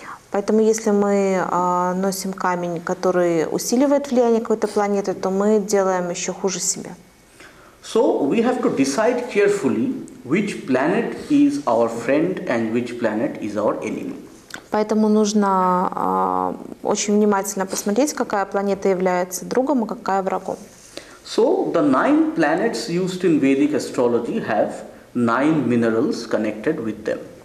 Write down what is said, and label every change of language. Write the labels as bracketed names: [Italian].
[Russian] Поэтому если мы носим камень, который усиливает влияние какой-то планеты, то мы делаем еще хуже себе. [English] So we have to decide carefully which planet is our friend and which planet is our enemy. [Russian] Поэтому нужно очень внимательно посмотреть, какая планета является другом, а какая врагом. [English] So the nine planets used in Vedic astrology have nine minerals connected with them.